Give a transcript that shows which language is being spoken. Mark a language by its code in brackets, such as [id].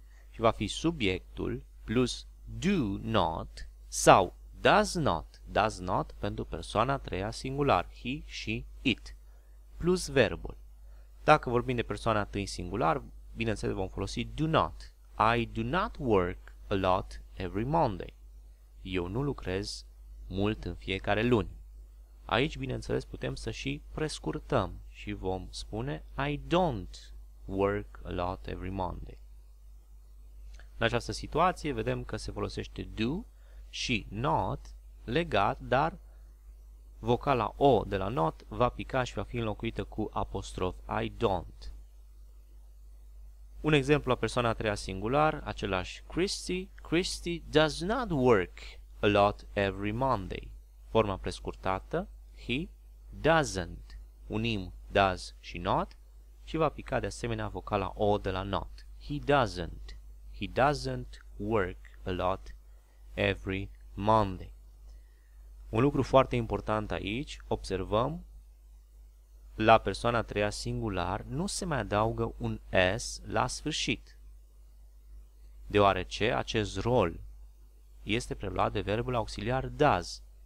[ro] Și va fi subiectul plus do not sau does not. Does not pentru persoana a treia singular, he, she, it, plus verbul. Dacă vorbim de persoana a treia singular, bineînțeles vom folosi do not. [en] I do not work a lot every Monday. [ro] Eu nu lucrez mult în fiecare luni. Aici, bineînțeles, putem să și prescurtăm și vom spune [en] I don't work a lot every Monday. [ro] În această situație, vedem că se folosește do și not legat, dar vocala O de la not va pica și va fi înlocuită cu apostrof [en] I don't. [ro] Un exemplu la persoana a treia singular, același Christy. [en] Christy does not work a lot every Monday. [ro] Forma prescurtată, [en] he doesn't. [ro] Unim does și not și va pica de asemenea vocala O de la not. [en] He doesn't. He doesn't work a lot every Monday. [ro] Un lucru foarte important aici, observăm, la persoana a treia singular nu se mai adaugă un S la sfârșit, deoarece acest rol este preluat de verbul auxiliar does.